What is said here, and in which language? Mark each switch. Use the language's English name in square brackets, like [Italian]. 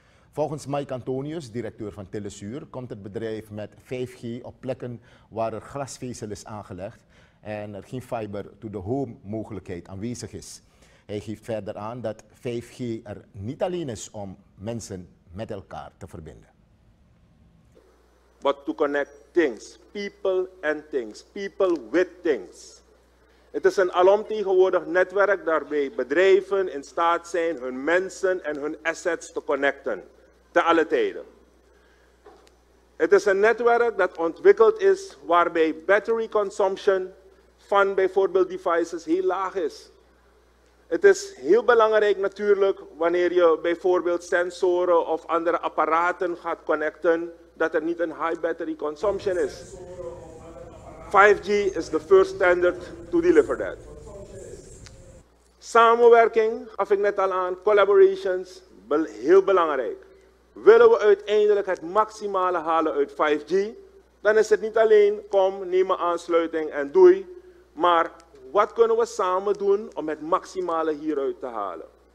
[Dutch] Volgens Mike Antonius, directeur van Telesuur, komt het bedrijf met 5G op plekken waar er glasvezel is aangelegd en er geen fiber to the home mogelijkheid aanwezig is. Hij geeft verder aan dat 5G er niet alleen is om mensen met elkaar te verbinden. [English] But to connect things, people and things, people with things. [Dutch] Het is een alomtegenwoordig netwerk waarbij bedrijven in staat zijn hun mensen en hun assets te connecten, te alle tijden. Het is een netwerk dat ontwikkeld is waarbij battery consumption van bijvoorbeeld devices heel laag is. Het is heel belangrijk natuurlijk wanneer je bijvoorbeeld sensoren of andere apparaten gaat connecten, dat er niet een high battery consumption is. [English] 5G is the first standard to deliver that. [Dutch] Samenwerking, gaf ik net al aan, collaborations, heel belangrijk. Willen we uiteindelijk het maximale halen uit 5G, dan is het niet alleen kom, neem een aansluiting en doei, maar wat kunnen we samen doen om het maximale hieruit te halen?